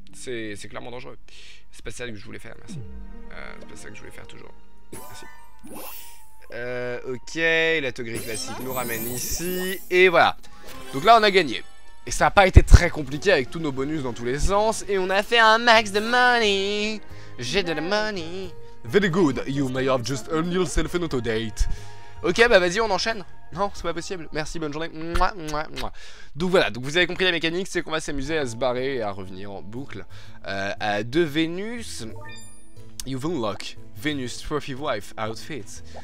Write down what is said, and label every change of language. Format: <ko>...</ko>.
<fr>C'est clairement dangereux. C'est pas ça que je voulais faire, merci. C'est pas ça que je voulais faire toujours. Merci. Ok, la teugrie classique nous ramène ici. Et voilà. Donc là, on a gagné. Et ça n'a pas été très compliqué avec tous nos bonus dans tous les sens. Et on a fait un max de money. J'ai de la money.</fr> <en>Very good, you may have just earned yourself an auto-date.</en> <fr>Ok, bah vas-y, on enchaîne. Non, c'est pas possible. Merci, bonne journée. Mouah, mouah, mouah. Donc voilà, donc vous avez compris la mécanique, c'est qu'on va s'amuser à se barrer et à revenir en boucle. De Vénus.</fr> <en>You've unlocked Venus Trophy Wife Outfit.</en>